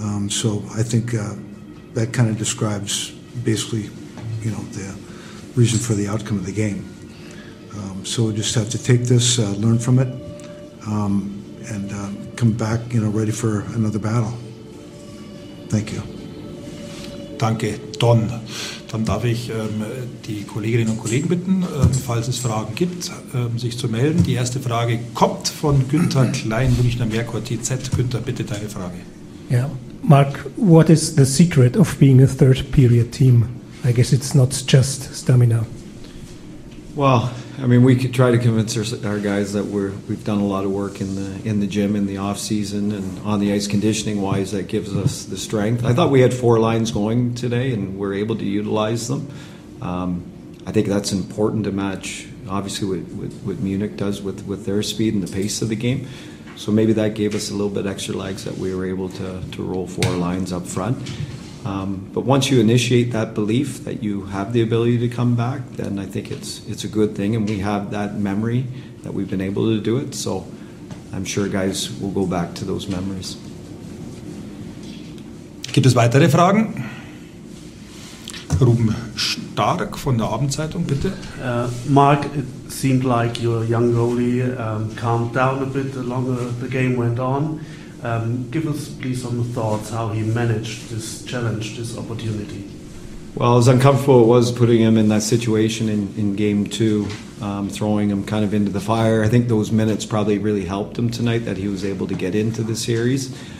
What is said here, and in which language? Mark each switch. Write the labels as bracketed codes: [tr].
[en] So I think that kind of describes basically, you know, the reason for the outcome of the game. So we just have to take this, learn from it, and come back, you know, ready for another battle. Thank you. [de] Danke, Don. Dann darf ich die Kolleginnen und Kollegen bitten, falls es Fragen gibt, sich zu melden. Die erste Frage kommt von Günther Klein, Münchner Merkur TZ. Günther, bitte deine Frage. Ja, [en] Mark, what is the secret of being a third-period team? I guess it's not just stamina. Well, I mean, we could try to convince our guys that we've done a lot of work in the gym in the off season and on the ice conditioning wise. That gives us the strength. I thought we had four lines going today, and we're able to utilize them. I think that's important to match, obviously, what Munich does with their speed and the pace of the game. So maybe that gave us a little bit extra legs that we were able to roll four lines up front. But once you initiate that belief that you have the ability to come back, then I think it's a good thing, and we have that memory that we've been able to do it. So I'm sure guys will go back to those memories. [de] Gibt es weitere Fragen? Ruben Stark von der Abendzeitung, bitte. [en] Mark, it seemed like your young goalie calmed down a bit the longer the game went on. Give us, please, some thoughts how he managed this challenge, this opportunity. Well, as uncomfortable it was putting him in that situation in game two, throwing him kind of into the fire, I think those minutes probably really helped him tonight that he was able to get into the series.